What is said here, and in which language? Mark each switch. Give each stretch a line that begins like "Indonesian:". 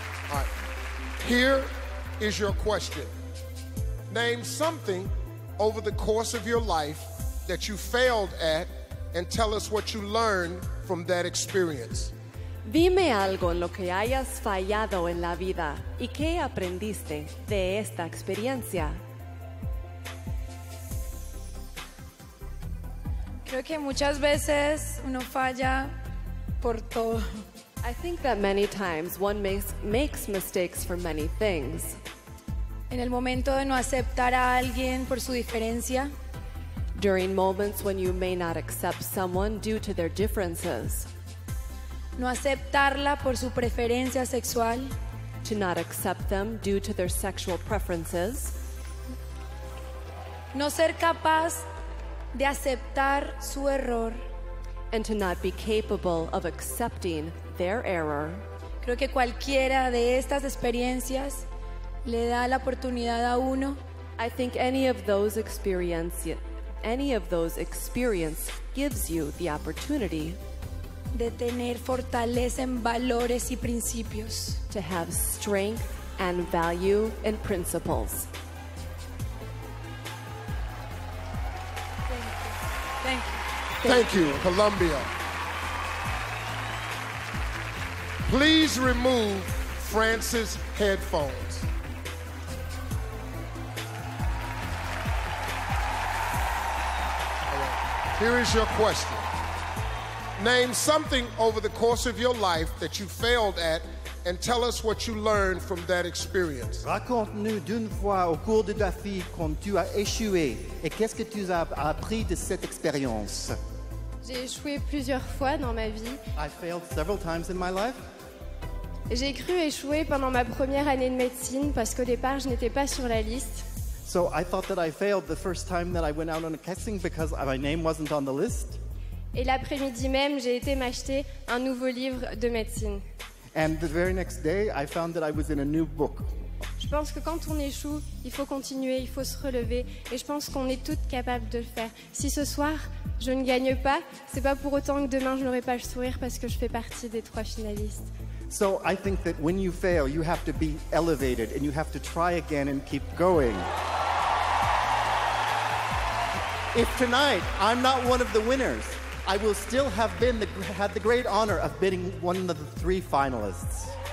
English: All right, here is your question. Name something over the course of your life that you failed at and tell us what you learned from that experience.
Spanish: Dime algo en lo que hayas fallado en la vida y qué aprendiste de esta experiencia. Creo que muchas veces uno falla por todo.
English: I think that many times one makes mistakes for many things.
Spanish: En el momento de no aceptar a alguien por su diferencia.
English: During moments when you may not accept someone due to their differences.
Spanish: No aceptarla por su preferencia sexual.
English: To not accept them due to their sexual preferences.
Spanish: No ser capaz de aceptar su error.
English: And to not be capable of accepting their error.
Spanish: Creo que cualquiera de estas experiencias le da la oportunidad a uno.
English: I think any of those experiences gives you the opportunity
Spanish: de tener fortaleza en valores y principios.
English: To have strength and value in principles. Thank you, Colombia. Please remove France's headphones. All right. Here is your question. Name something over the course of your life that you failed at and tell us what you learned from that experience.
French: Raconte-nous d'une fois au cours de ta vie quand tu as échoué et qu'est-ce que tu as appris de cette expérience. J'ai échoué plusieurs fois dans ma vie.
English: I failed several times in my life.
French: J'ai cru échouer pendant ma première année de médecine parce qu'au départ je n'étais pas sur la liste.
English: So I thought that I failed the first time that I went out on a casting because my name wasn't on the list.
French: Et l'après-midi même, j'ai été m'acheter un nouveau livre de médecine.
English: And the very next day, I found that I was in a new book.
French: Je pense que quand on échoue, il faut continuer, il faut se relever et je pense qu'on est toutes capables de le faire. Si ce soir je ne gagne pas, c'est pas pour autant que demain je n'aurai pas le sourire parce que je fais partie des trois finalistes.
English: So I think that when you fail, you have to be elevated and you have to try again and keep going. If tonight I'm not one of the winners, I will still have been had the great honor of being one of the three finalists.